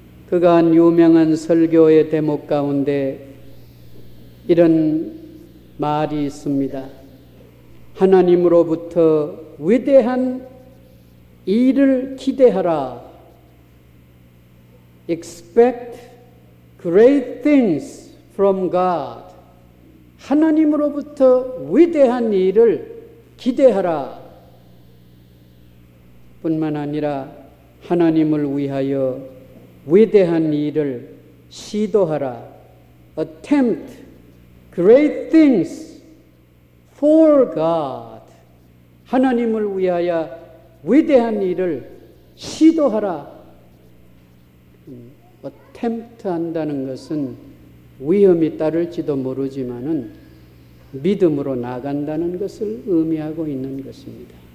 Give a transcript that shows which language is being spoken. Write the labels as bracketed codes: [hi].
[ko] 그가 한 유명한 설교의 대목 가운데 이런 말이 있습니다. 하나님으로부터 위대한 일을 기대하라. [en] Expect great things from God. [ko] 하나님으로부터 위대한 일을 기대하라. 뿐만 아니라 하나님을 위하여 위대한 일을 시도하라. [en] Attempt great things for God. [ko] 하나님을 위하여 위대한 일을 시도하라. Attempt 한다는 것은 위험이 따를지도 모르지만은 믿음으로 나간다는 것을 의미하고 있는 것입니다.